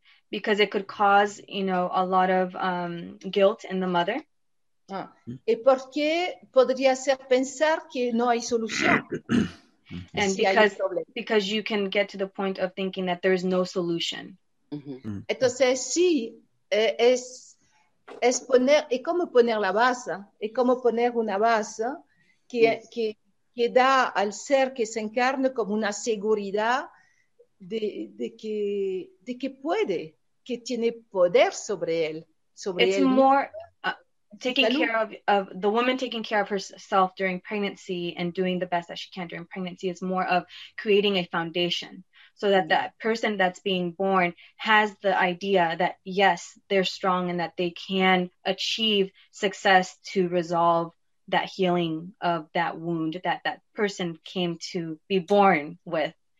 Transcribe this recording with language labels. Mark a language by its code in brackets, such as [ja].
[en] Because it could cause, you know, a lot of guilt in the mother. [es] Ah. Y porque podría ser pensar que no hay solución. [en] And because you can get to the point of thinking that there is no solution. Mm-hmm. [es] Entonces sí, es poner, es como poner la base, es como poner una base que da al ser que se encarna como una seguridad de que puede. Que tiene poder sobre él, sobre [en] it's [es] él. [en] More taking salud. Care of the woman taking care of herself during pregnancy and doing the best that she can during pregnancy is more of creating a foundation so that mm-hmm. that person that's being born has the idea that yes, they're strong and that they can achieve success to resolve that healing of that wound that person came to be born with.